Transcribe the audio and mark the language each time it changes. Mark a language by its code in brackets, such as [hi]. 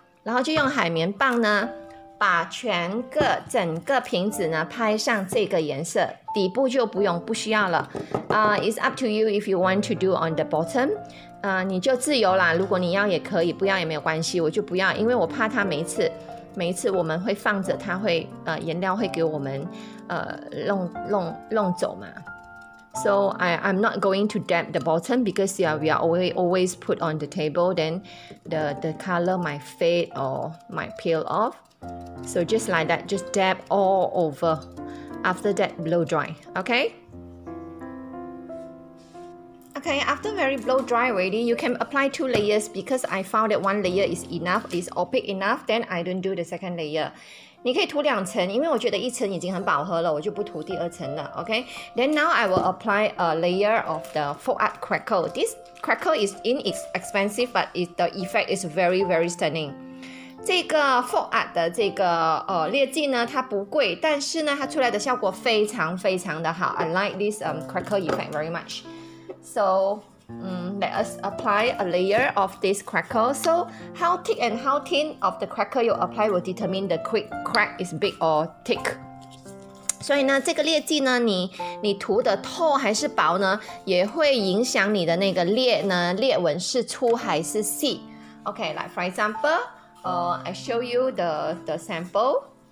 [zh] 然后就用海绵棒呢，把整个瓶子呢拍上这个颜色，底部就不需要了。 [en] It's up to you if you want to do on the bottom. [zh] 你就自由啦，如果你要也可以，不要也没有关系，我就不要，因为我怕它每次每一次我们会放着它会颜料会给我们弄走嘛。 [en] So I'm not going to dab the bottom because yeah, we are always put on the table, then the color might fade or might peel off. So just like that, just dab all over. After that, blow dry, okay? Okay, after very blow dry already, you can apply two layers because I found that one layer is enough, is opaque enough, then I don't do the second layer. [zh] 你可以涂两层，因为我觉得一层已经很饱和了，我就不涂第二层了。 [en] Okay, then now I will apply a layer of the faux art crackle. This crackle is inexpensive, but the effect is very, very stunning. [zh] 这个 faux art 的这个劣迹呢，它不贵，但是呢，它出来的效果非常非常的好。 [en] I like this crackle effect very much. So, let us apply a layer of this crackle. So, how thick and how thin of the crackle you apply will determine the quick crack is big or thick. [zh] 所以呢，这个劣迹呢，你涂的透还是薄呢，也会影响你的那个裂纹是粗还是细。 [en] Okay, like for example, I show you the sample.